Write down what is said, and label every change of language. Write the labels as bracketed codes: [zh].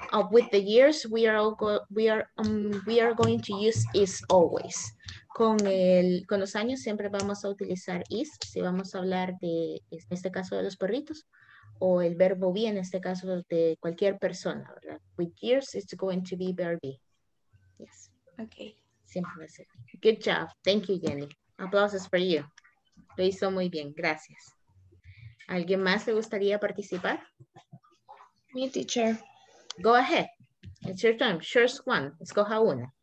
[en] With the years, we are going to use is always. [es] Con los años siempre vamos a utilizar is, si vamos a hablar de, en este caso, de los perritos, o el verbo be, en este caso, de cualquier persona, ¿verdad? [en] With years, it's going to be verb be. Yes. Okay. [es] Siempre va a ser. [en] Good job. Thank you, Jenny. Applauses for you. [es] Lo hizo muy bien. Gracias. ¿Alguien más le gustaría participar? [en] Me, teacher. Go ahead. It's your turn. Choose one. [es] Escoja una.